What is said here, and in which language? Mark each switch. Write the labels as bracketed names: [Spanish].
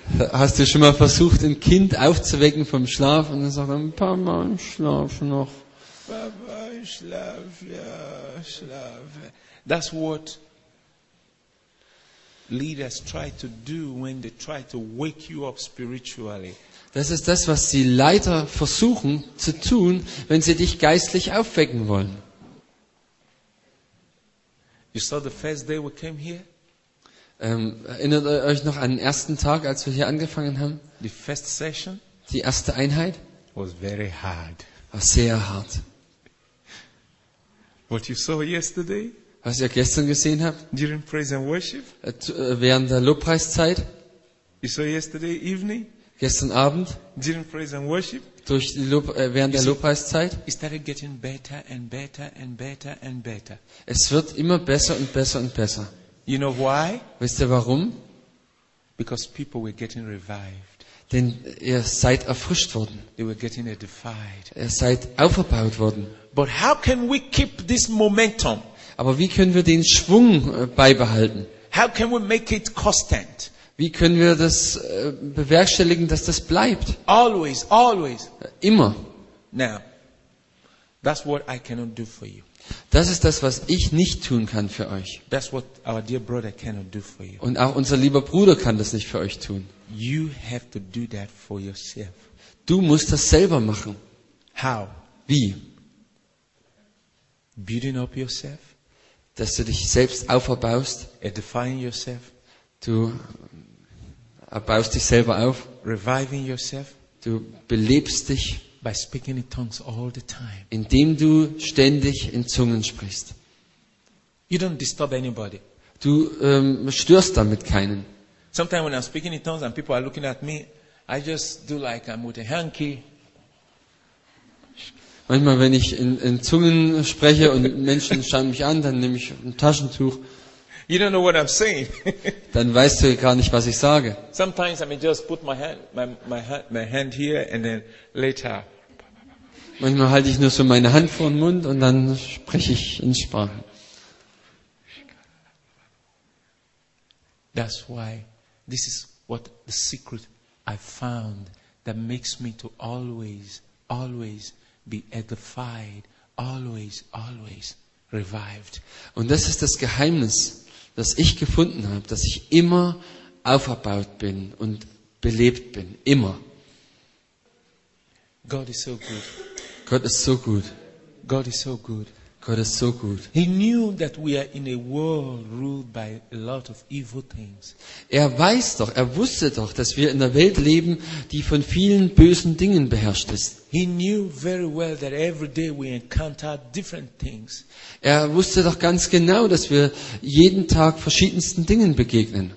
[German] Hast du schon mal versucht, ein Kind aufzuwecken vom Schlaf und dann sagt er, Papa, ich schlafe noch. Papa, ich schlafe, ja, schlafe. [English] That's what leaders try to do when they try to wake you up spiritually. [German] Das ist das, was die Leiter versuchen zu tun, wenn sie dich geistlich aufwecken wollen. [English] You saw the first day we came here? [German] Erinnert ihr euch noch an den ersten Tag, als wir hier angefangen haben? [English] The first session, [German] die erste Einheit, [English] was very hard. [German] War sehr hart. [English] What you saw yesterday, [German] was ihr gestern gesehen habt, [English] during praise and worship, [German] während der Lobpreiszeit, [English] you saw yesterday evening, [German] gestern Abend, [English] during praise and worship, [German] durch die während der Lobpreiszeit, [English] it started getting better and better and better and better. [German] Es wird immer besser und besser und besser. [English] You know why? [German] Wisst ihr warum? [English] Because people were getting revived. [German] Denn ihr seid erfrischt worden. [English] They were getting edified. [German] Ihr seid aufgebaut worden. [English] But how can we keep this momentum? [German] Aber wie können wir den Schwung beibehalten? [English] How can we make it constant? [German] Wie können wir das bewerkstelligen, dass das bleibt? [English] Always, always. [German] Immer. [English] Now, that's what I cannot do for you. [German] Das ist das, was ich nicht tun kann für euch. [English] That's what our dear brother cannot do for you. [German] Und auch unser lieber Bruder kann das nicht für euch tun. [English] You have to do that for yourself. [German] Du musst das selber machen. [English] How? [German] Wie? [English] Building up yourself. [German] Dass du dich selbst aufbaust. [English] Edifying yourself. [German] Du baust dich selber auf. [English] Reviving yourself. [German] Du belebst dich. [English] By speaking in tongues all the time. [German] Indem du ständig in Zungen sprichst. [English] You don't disturb anybody. [German] Du störst damit keinen. [English] Sometimes when I'm speaking in tongues and people are looking at me, I just do like I'm with a hanky. [German] Manchmal, wenn ich in Zungen spreche und Menschen schauen mich an, dann nehme ich ein Taschentuch. [English] You don't know what I'm saying. [German] Dann weißt du gar nicht, was ich sage. [English] Sometimes I may just put my hand here and then later. [German] Manchmal halte ich nur so meine Hand vor den Mund und dann spreche ich in Sprachen. [English] That's why this is what the secret I found that makes me to always be edified, always revived. [German] Und das ist das Geheimnis, das ich gefunden habe, dass ich immer auferbaut bin und belebt bin, immer. [English] God is so good. [German] Gott ist so gut. [English] God is so good. [German] Gott ist so gut. [English] He knew that we are in a world ruled by a lot of evil things. [German] Er wusste doch, dass wir in einer Welt leben, die von vielen bösen Dingen beherrscht ist. [English] He knew very well that every day we encounter different things. [German] Er wusste doch ganz genau, dass wir jeden Tag verschiedensten Dingen begegnen.